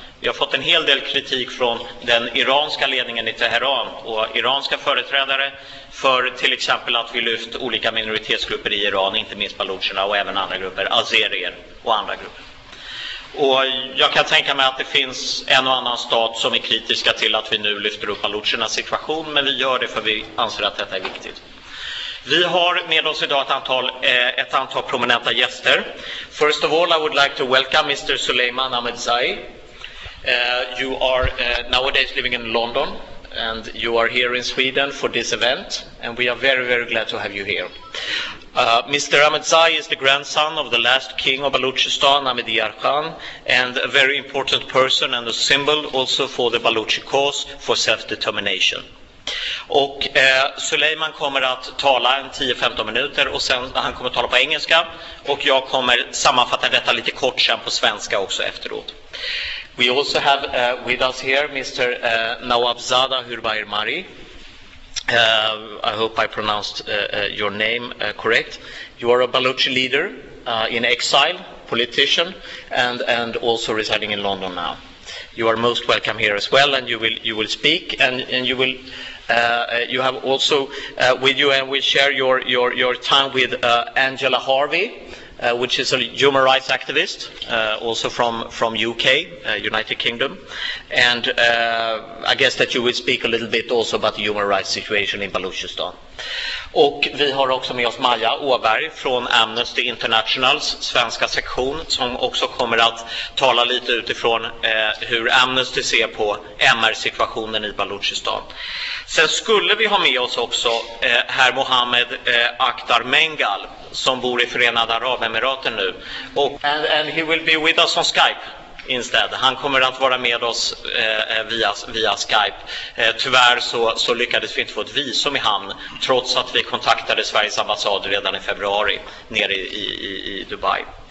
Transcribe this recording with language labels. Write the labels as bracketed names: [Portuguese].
[Swedish] Vi har fått en hel del kritik från den iranska ledningen i Teheran och iranska företrädare för till exempel att vi lyft olika minoritetsgrupper i Iran, inte minst balucherna och även andra grupper, azerier och andra grupper. Och jag kan tänka mig att det finns en och annan stat som är kritiska till att vi nu lyfter upp balucherna situation, men vi gör det för vi anser att detta är viktigt. Vi har med oss idag ett antal prominenta gäster. [English] First of all, I would like to welcome Mr. Suleiman Ahmedzai. You are nowadays living in London, and you are here in Sweden for this event, and we are very, very glad to have you here. Mr. Ahmedzai is the grandson of the last king of Baluchistan, Ahmadiyar Khan, and a very important person and a symbol also for the Baluchi cause for self-determination. [Swedish] Och Suleiman kommer att tala en 10-15 minuter och sen han kommer att tala på engelska och jag kommer sammanfatta detta lite kort sen på svenska också efteråt. [English] We also have with us here Mr. Nawabzada Hürbair Mari. I hope I pronounced your name correct. You are a Baluchi leader in exile, politician and also residing in London now. You are most welcome here as well, and you will speak and you will you have also with you, and we share your time with Angela Harvey, which is a human rights activist, also from UK, United Kingdom, and I guess that you will speak a little bit also about the human rights situation in Baluchistan. [Swedish] Och vi har också med oss Maja Åberg från Amnesty Internationals svenska sektion, som också kommer att tala lite utifrån hur Amnesty ser på MR-situationen i Baluchistan. Sen skulle vi ha med oss också herr Mohammed Akhtar Mengal, som bor i Förenade Arabemiraten nu. [English] And he will be with us on Skype instead. [Swedish] Han kommer att vara med oss via Skype. Tyvärr så lyckades vi inte få ett visum i hamn, trots att vi kontaktade Sveriges ambassad redan i februari nere i Dubai.